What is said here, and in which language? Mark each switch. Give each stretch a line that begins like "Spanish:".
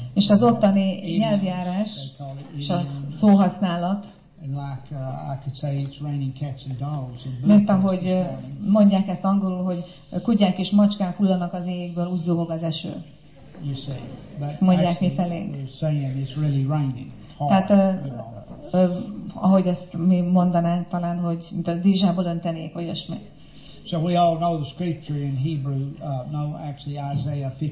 Hungarian: És az ottani nyelvjárás, és a szóhasználat.
English: And like I could say, it's raining cats and dogs.
Hungarian: Mint ahogy mondják ezt angolul, hogy kutyák és macskák hullanak az égből, úgy zuhog az eső.
English: You see,
Hungarian: but mondják mi felénk.
English: Saying it's really raining.
Hungarian: Tehát ahogy ezt mi mondanánk talán, hogy mint a dízsából öntenék, vagy ismét.
English: So we all know the scripture in Hebrew, no, actually Isaiah